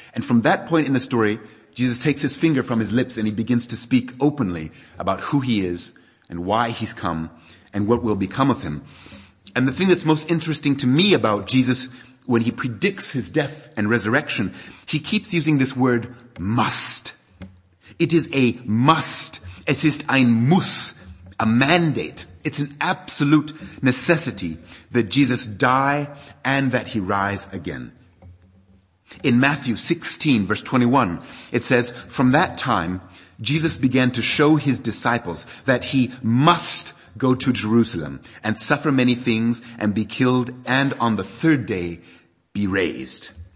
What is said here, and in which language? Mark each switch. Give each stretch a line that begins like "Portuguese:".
English: And from that point in the story, Jesus takes his finger from his lips and he begins to speak openly about who he is and why he's come and what will become of him. And the thing that's most interesting to me about Jesus, when he predicts his death and resurrection, he keeps using this word must. It is a must.
German: Es ist ein Muss,
English: a mandate. It's an absolute necessity that Jesus die and that he rise again. In Matthew 16, verse 21, it says, from that time, Jesus began to show his disciples that he must go to Jerusalem and suffer many things and be killed and on the third day be raised.